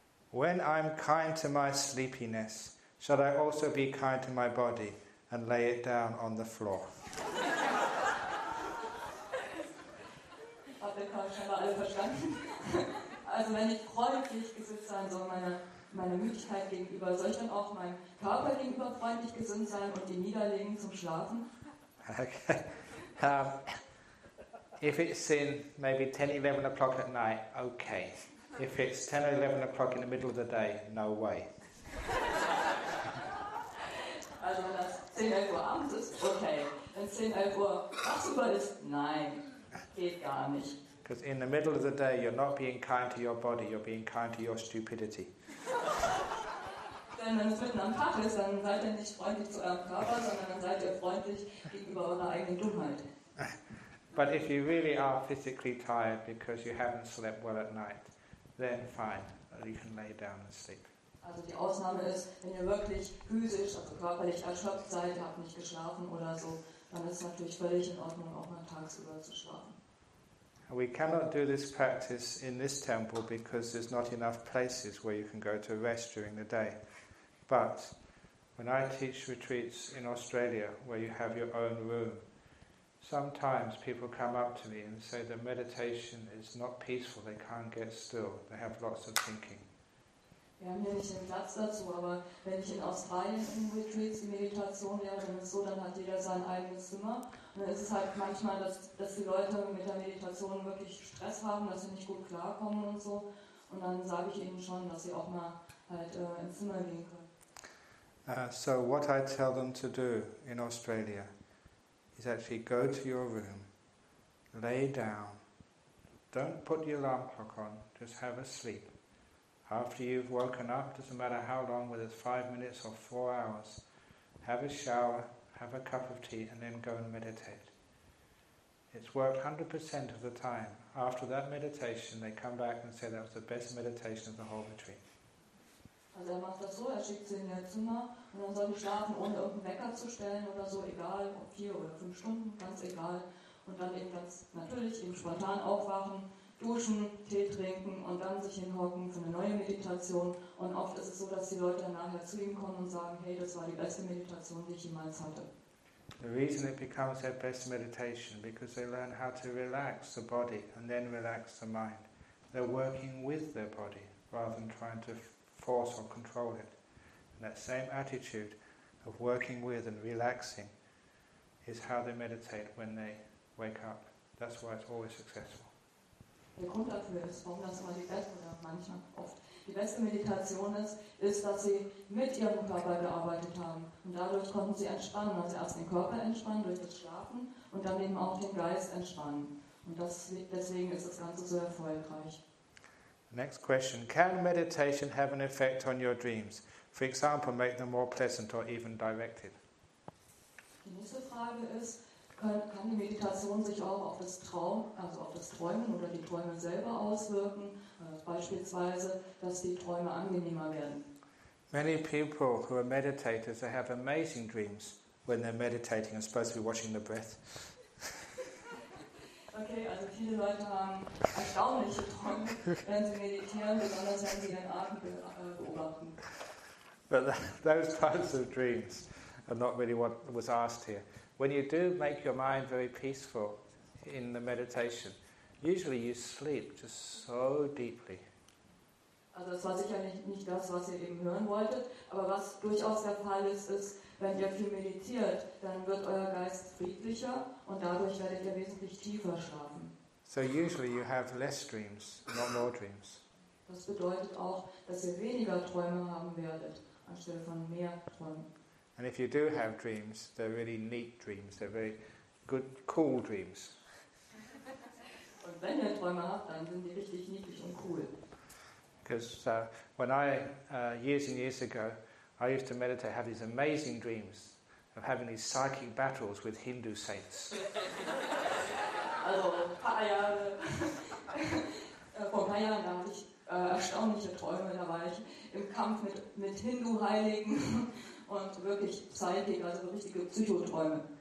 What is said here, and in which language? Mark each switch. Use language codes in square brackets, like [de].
[en] When I'm kind to my sleepiness, shall I also be kind to my body? and lay it down on the floor. [de] Hat der Karl scheinbar alle verstanden. Also wenn ich freundlich gesinnt sein soll, meine Müdigkeit gegenüber, soll ich dann auch meinem Körper gegenüber freundlich gesinnt sein und ihn niederlegen zum Schlafen? Okay. [en] If it's in maybe 10, 11 o'clock at night, okay. If it's 10 or 11 o'clock in the middle of the day, no way. [de] Also, wenn das 10, 11 Uhr abends ist, okay. Wenn es 10, 11 Uhr tagsüber ist, nein, geht gar nicht. [en] Because in the middle of the day, you're not being kind to your body, you're being kind to your stupidity. [de] Denn wenn es mitten am Tag ist, dann seid ihr nicht freundlich zu eurem Körper, sondern dann seid ihr freundlich gegenüber eurer eigenen Dummheit. [en] But if you really are physically tired because you haven't slept well at night, then fine, you can lay down and sleep. [de] Also die Ausnahme ist, wenn ihr wirklich physisch, also körperlich erschöpft seid, habt nicht geschlafen oder so, dann ist es natürlich völlig in Ordnung, auch mal tagsüber zu schlafen. [en] We cannot do this practice in this temple because there's not enough places where you can go to rest during the day. But when I teach retreats in Australia where you have your own room, sometimes people come up to me and say the meditation is not peaceful, they can't get still, they have lots of thinking. [de] Wir haben hier nicht den Platz dazu, aber wenn ich in Australien in Retreats die Meditation lehre, dann ist so, dann hat jeder sein eigenes Zimmer. Und dann ist es halt manchmal, dass die Leute mit der Meditation wirklich Stress haben, dass sie nicht gut klarkommen und so. Und dann sage ich ihnen schon, dass sie auch mal halt ins Zimmer gehen können. [en] So what I tell them to do in Australia is actually go to your room, lay down, don't put your alarm clock on, just have a sleep. After you've woken up, doesn't matter how long, whether it's 5 minutes or 4 hours, have a shower, have a cup of tea, and then go and meditate. It's worked 100% of the time. After that meditation, they come back and say that was the best meditation of the whole retreat. [de] Also er macht das so, er schickt sie in ihr Zimmer und dann soll sie schlafen, ohne irgendeinen Wecker zu stellen oder so, egal, ob 4 oder 5 Stunden, ganz egal. Und dann eben ganz natürlich eben spontan aufwachen, duschen, Tee trinken und dann sich hinhocken für eine neue Meditation. Und oft ist es so, dass die Leute nachher zu ihm kommen und sagen, hey, das war die beste Meditation, die ich jemals hatte. [en] The reason it becomes their best meditation, because they learn how to relax the body and then relax the mind. They're working with their body rather than trying to force or control it. And that same attitude of working with and relaxing is how they meditate when they wake up. That's why it's always successful. [de] Der Grund dafür ist, warum das immer die beste oder manchmal oft die beste Meditation ist, dass sie mit ihrem Körper gearbeitet haben und dadurch konnten sie entspannen, also erst den Körper entspannen durch das Schlafen und dann eben auch den Geist entspannen. Und deswegen ist das Ganze so erfolgreich. [en] Next question. Can meditation have an effect on your dreams? For example, make them more pleasant or even directed? [de] Die nächste Frage ist, kann die Meditation sich auch auf das Traum, also auf das Träumen oder die Träume selber auswirken? Beispielsweise, dass die Träume angenehmer werden. [en] Many people who are meditators, they have amazing dreams when they're meditating and supposed to be watching the breath. [de] Okay, also viele Leute haben erstaunliche Träume, wenn sie meditieren, besonders wenn sie ihren Atem beobachten. [en] But those types of dreams are not really what was asked here. When you do make your mind very peaceful in the meditation, usually you sleep just so deeply. [de] Also das war sicherlich nicht das, was ihr eben hören wolltet, aber was durchaus der Fall ist, ist, wenn ihr viel meditiert, dann wird euer Geist friedlicher und dadurch werdet ihr wesentlich tiefer schlafen. [en] So usually you have less dreams, not more dreams. [de] Das bedeutet auch, dass ihr weniger Träume haben werdet, anstelle von mehr Träumen. [en] And if you do have dreams, they're really neat dreams, they're very good, cool dreams. [de] Und wenn ihr Träume habt, dann sind die richtig niedlich und cool. [en] Because when I, years and years ago, I used to meditate, have these amazing dreams of having these psychic battles with Hindu saints. [de] Also, vor ein paar Jahren hatte ich erstaunliche Träume, da war ich im Kampf mit Hindu-Heiligen und wirklich psychic, also richtige Psychoträume.